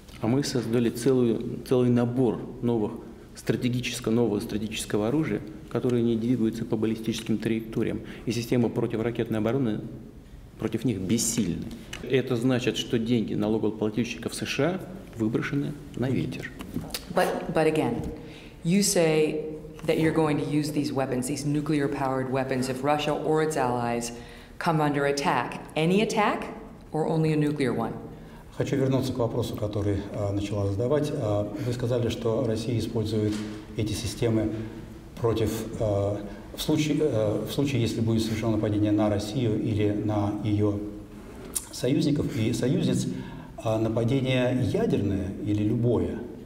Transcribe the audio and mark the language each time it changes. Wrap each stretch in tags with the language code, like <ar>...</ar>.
<ru>А мы создали целый набор новых стратегического оружия, которое не двигается по баллистическим траекториям. И системы противоракетной обороны против них бессильны. Это значит, что деньги налогоплательщиков США выброшены на ветер.</ru> <en>But again, you say that you're going to use these weapons, these nuclear-powered weapons, if Russia or its allies come under attack. Any attack or only a nuclear one?</en> <ru>Хочу вернуться к вопросу, который начала задавать. Вы сказали, что Россия использует эти системы против в случае, если будет совершено нападение на Россию или на ее союзников и союзниц, нападение ядерное или любое?</ru>